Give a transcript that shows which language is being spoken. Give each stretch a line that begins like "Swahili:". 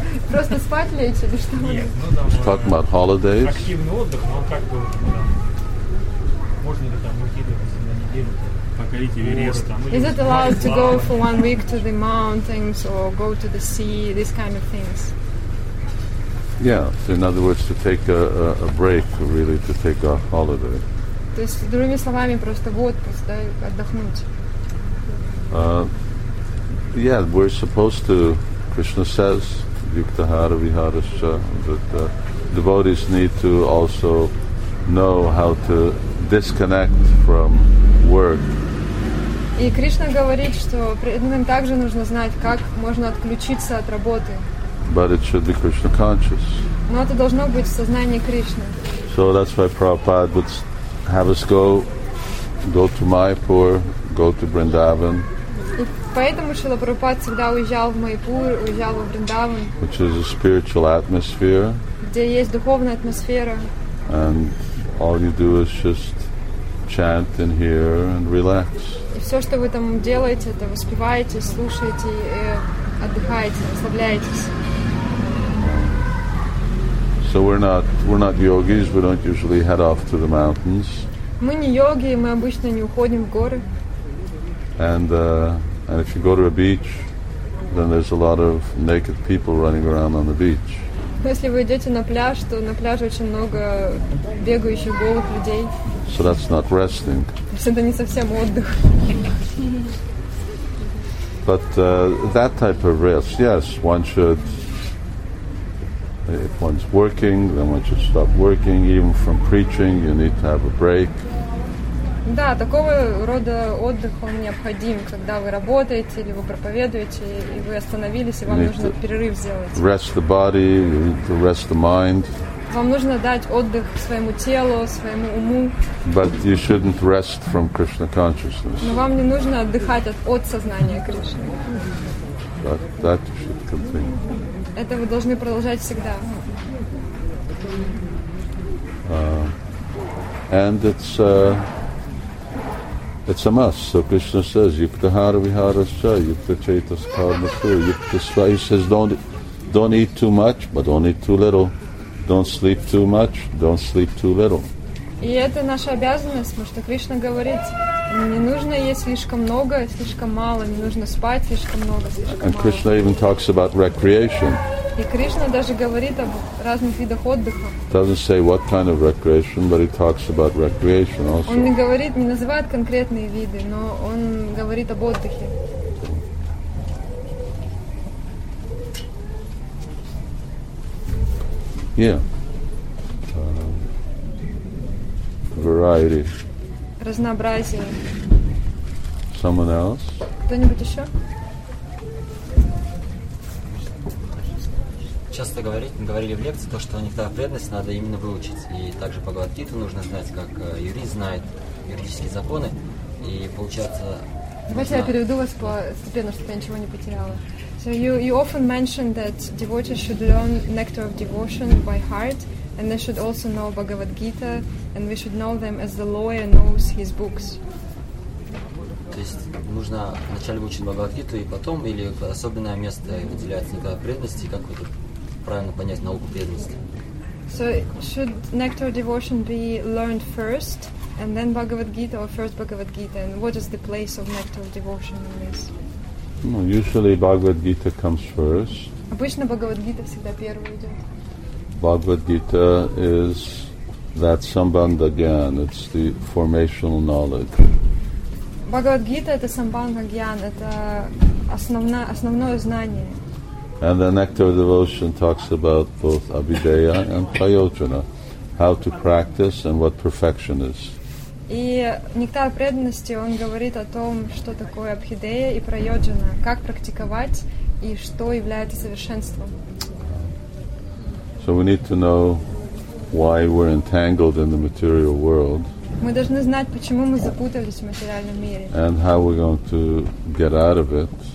Russian: Просто спать лечь или что?
English: He's talking about holidays.
Russian: Активный отдых, но как бы можно ли там уйти на неделю, покорить Эверест?
English: Is it allowed to go for 1 week to the mountains or go to the sea? These kind of things. Yeah, so in other words, to take a break, really, to take a holiday.
Russian: То есть, другими словами, просто в отпуск, да, отдохнуть.
English: Yeah, we're supposed to, Krishna says,
Sanskrit: Yuktahara Viharascha,
English: that devotees need to also know how to disconnect from work.
Russian: И Кришна говорит, что преданным также нужно знать, как можно отключиться от работы.
English: But it should be Krishna conscious.
Russian: Но это должно быть в сознании Кришны.
English: So that's why Prabhupada would have us go to Mayapur, go to Vrindavan.
Russian: И поэтому Шрила Прабхупада всегда уезжал в Майпур, уезжал во Вриндаван.
English: Which is a spiritual atmosphere.
Russian: Где есть духовная атмосфера.
English: And all you do is just chant and hear and relax.
Russian: И все, что вы там делаете, это воспеваете, слушаете и отдыхаете, расслабляетесь.
English: So we're not yogis. We don't usually head off to the mountains.
Russian: Мы не йоги, мы обычно не уходим в горы.
English: And if you go to a beach, then there's a lot of naked people running around on the beach.
Russian: Если вы идете на пляж, то на пляже очень много бегающих голых людей.
English: So that's not resting.
Russian: Это не совсем отдых.
English: But that type of rest, yes, one should. If one's working, then one should stop working. Even from preaching, you need to have a break.
Russian: Да, такого рода отдых он необходим, когда вы работаете или вы проповедуете и вы остановились, и вам нужно перерыв сделать.
English: Rest the body, you need to rest the mind.
Russian: Вам нужно дать отдых своему телу, своему уму.
English: But you shouldn't rest from Krishna consciousness.
Russian: Но вам не нужно отдыхать от сознания Кришны.
English: But that you should continue.
Russian: Это вы должны продолжать всегда.
English: And it's a must. So Krishna says,
Sanskrit: Yuktahara Viharascha, Yukta Chaitas Karmasu, Yukta Sva.
English: He says, don't eat too much, but don't eat too little. Don't sleep too much, don't sleep too little.
Russian: И это наша обязанность, потому что Кришна говорит, не нужно есть слишком много, слишком мало, не нужно спать слишком много, слишком мало.
English: And Krishna even talks about recreation.
Russian: И Кришна даже говорит об разных видах отдыха.
English: Doesn't say what kind of recreation, but he talks about recreation also.
Russian: Он не говорит, не называет конкретные виды, но он говорит об отдыхе.
English: Yeah. Variety.
Russian: Разнообразие.
English: Someone else?
Russian: Кто-нибудь еще? Часто говорили в лекции то, что иногда преданность надо именно выучить. И также по Бхагавад-гите нужно знать, как юрист знает юридические законы. И получается. Давайте я переведу вас постепенно, чтобы я ничего не потеряла.
English: So you often mentioned that devotees should learn nectar of devotion by heart, and they should also know Bhagavad Gita, and we should know them as the lawyer knows his books.
Russian: То есть нужно вначале учить Бхагавад Гиту и потом, или особенное место выделяется для преданности, как вы тут правильно понять науку преданности?
English: So should nectar of devotion be learned first, and then Bhagavad Gita, or first Bhagavad Gita, and what is the place of nectar of devotion in this? No, usually Bhagavad Gita comes first.
Russian: Обычно Бхагавад Гита всегда первый идет.
English: Bhagavad Gita is that sambandha gyan. It's the formational knowledge.
Russian: Bhagavad Gita это sambandha gyan. Это основное знание.
English: And the Nectar of Devotion talks about both Abhideya and Prayojana, how to practice and what perfection is.
Russian: И Нектар преданности он говорит о том, что такое Абхидея и Прайоджана, как практиковать и что является совершенством.
English: So we need to know why we're entangled in the material world.
Russian: Мы должны знать, почему мы запутались в материальном мире.
English: And how we're going to get out of it.